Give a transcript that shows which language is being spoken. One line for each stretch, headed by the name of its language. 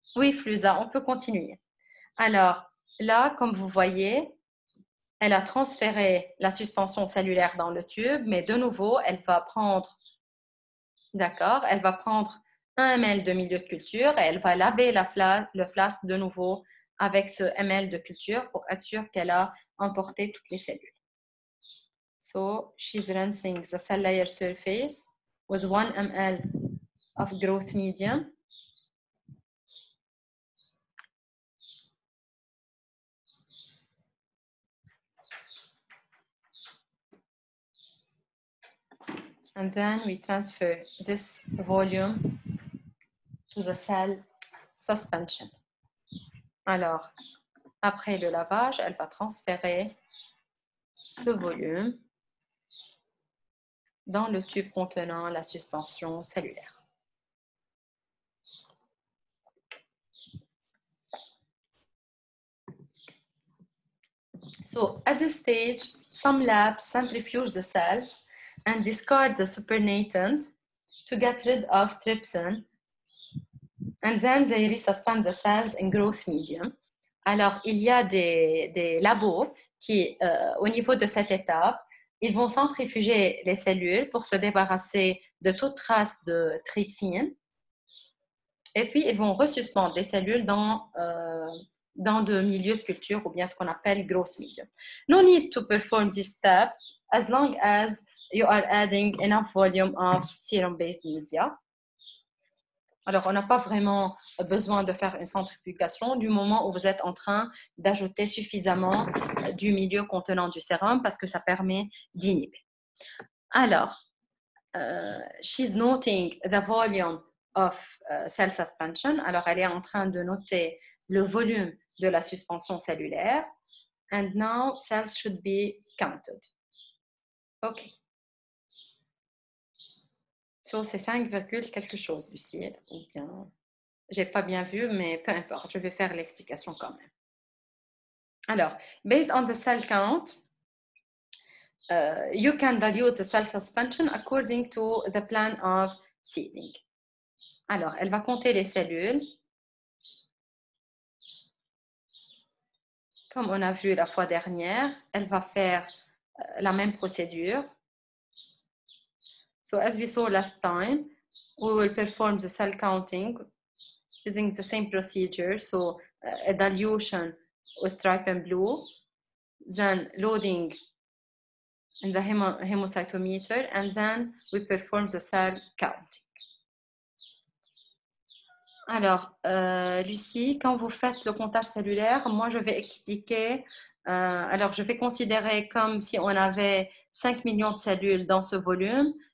French: Oui, Flusa, on peut continuer. Alors, là, comme vous voyez, elle a transféré la suspension cellulaire dans le tube, mais de nouveau, elle va prendre, d'accord, elle va prendre 1 ml de milieu de culture et elle va laver le flasque de nouveau avec ce ml de culture pour être sûre qu'elle a emporté toutes les cellules.
English: So, she's rinsing the cell layer surface with 1 ml of growth medium. And then we transfer this volume to the cell suspension.
French: Alors, après le lavage, elle va transférer ce volume dans le tube contenant la suspension cellulaire.
English: So, at this stage, some labs centrifuge the cells and discard the supernatant to get rid of trypsin. And then they resuspend the cells in growth medium.
French: Alors, il y a des labos qui, au niveau de cette étape, ils vont centrifuger les cellules pour se débarrasser de toute trace de trypsine. Et puis, ils vont resuspendre les cellules dans de milieux de culture ou bien ce qu'on appelle growth medium.
English: No need to perform this step as long as you are adding enough volume of serum-based media.
French: Alors, on n'a pas vraiment besoin de faire une centrifugation du moment où vous êtes en train d'ajouter suffisamment du milieu contenant du sérum parce que ça permet d'inhiber.
English: Alors, she's noting the volume of cell suspension.
French: Alors, elle est en train de noter le volume de la suspension cellulaire.
English: And now, cells should be counted. OK.
French: Sur ces 5, quelque chose, Lucille. Ou bien, j'ai pas bien vu, mais peu importe, je vais faire l'explication quand même.
English: Alors, based on the cell count, you can dilute the cell suspension according to the plan of seeding.
French: Alors, elle va compter les cellules. Comme on a vu la fois dernière, elle va faire la même procédure.
English: So as we saw last time, we will perform the cell counting using the same procedure. So a dilution with stripe and blue, then loading in the hemocytometer, and then we perform the cell counting.
French: Alors, Lucie, quand vous faites le comptage cellulaire, moi je vais expliquer. Alors, je vais considérer comme si on avait 5 millions de cellules dans ce volume.